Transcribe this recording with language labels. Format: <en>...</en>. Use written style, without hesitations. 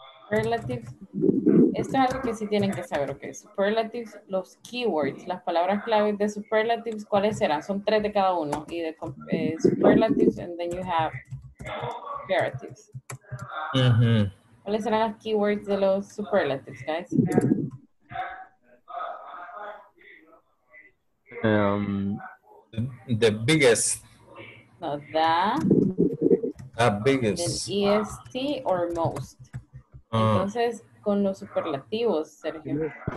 <es>Superlatives, esto es algo que sí tienen que saber, ok. Superlatives, los keywords, las palabras claves de superlatives, ¿cuáles serán? Son tres de cada uno. Y de</es> <en>superlatives, and then you have comparatives. Mm-hmm.</en> <es>¿Cuáles serán las keywords de los superlatives, guys?</es> <en>The biggest. No, the biggest. The EST or most.</en> <es>Entonces, con los superlativos, Sergio.</es>